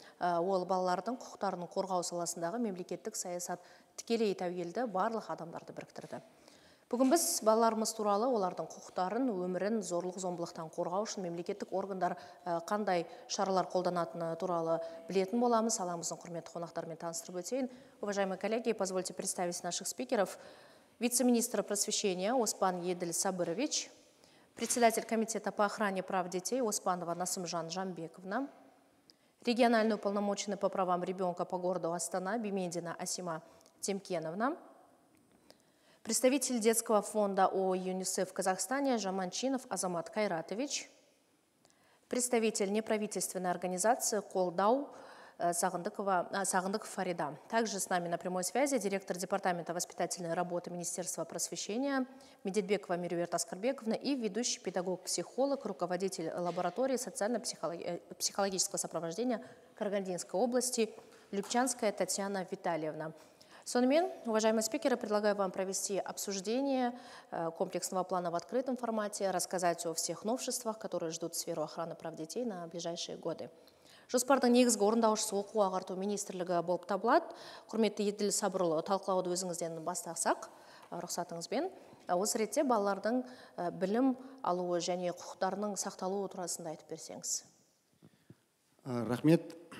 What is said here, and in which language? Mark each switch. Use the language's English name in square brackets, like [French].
[Kazakh] Ол балалардың құқықтарын қорғау саласындағы мемлекеттік саясат тікелей тәуелді барлық адамдарды біріктірді. Бүгін біз балаларымыз туралы олардың құқықтарын, өмірін зорлық-зомбылықтан қорғау үшін мемлекеттік органдар қандай шаралар қолданатыны туралы білетін боламыз. Саламыздың құрметті қонақтарымен таныстырып өтейін. [Russian] Уважаемые коллеги, позвольте представить наших спикеров. Вице-министр просвещения Оспан Еділ Сабырович, председатель комитета по охране прав детей Оспанова Насымжан Жамбековна, региональный уполномоченный по правам ребенка по городу Астана Бимендина Асима Темкеновна, представитель детского фонда ООО ЮНИСЕФ в Казахстане Жаманчинов Азамат Кайратович, представитель неправительственной организации Колдау Сағындықов Фарида. Также с нами на прямой связи директор департамента воспитательной работы Министерства просвещения Медетбекова Мерюерт Аскарбековна и ведущий педагог-психолог, руководитель лаборатории социально-психологического сопровождения Карагандинской области Любчанская Татьяна Витальевна. [Kazakh] Сонымен, [Russian] уважаемые спикеры, предлагаю вам провести обсуждение комплексного плана в открытом формате, рассказать о всех новшествах, которые ждут сферу охраны прав детей на ближайшие годы. [Kazakh] Жоспардың негізгі орындаушысы оқу ағарту министрлігі болып табылады. Құрметті Еділ Сабырұлы, талқылауды өзіңізден бастасақ, рұқсатыңызбен. Осы ретте балалардың білім алуы және құқықтарының сақталуы турасында айтып берсеңіз. Рахмет.